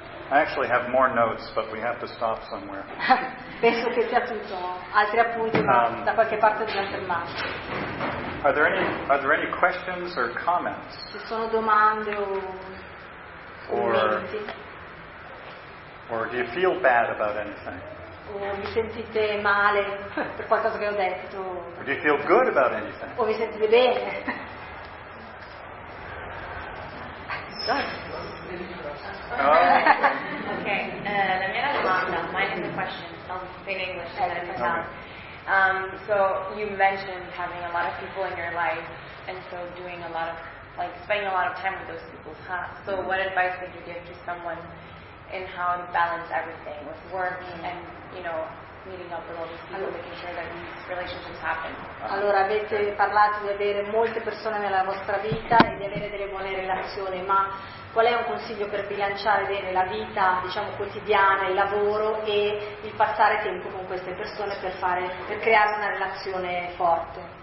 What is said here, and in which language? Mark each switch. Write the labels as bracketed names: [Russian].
[English] I actually have more notes, but we have to stop somewhere. [Italian] Penso che sia tutto. Altri appunti, ma da qualche parte dobbiamo fermarci. [English] Are there any questions or comments? [Italian] Ci sono domande o commenti? [English] Or do you feel bad about anything? [Italian] O vi sentite male per qualcosa che ho detto? [English] Or do you feel good about anything? [Italian] O vi sentite bene? [English] Okay. [Italian] La mia domanda, [English] mine is a question. I'll say in English and then in Italian. So you mentioned having a lot of people in your life, and so doing a lot of, like, spending a lot of time with those people. Huh? So what advice would you give to someone in how to balance everything with work and, you know, meeting up with all these people, making sure that these relationships happen? [Italian] Allora, avete parlato di avere molte persone nella vostra vita e di avere delle buone relazioni, ma qual è un consiglio per bilanciare bene la vita, diciamo, quotidiana, il lavoro e il passare tempo con queste persone per creare una relazione forte?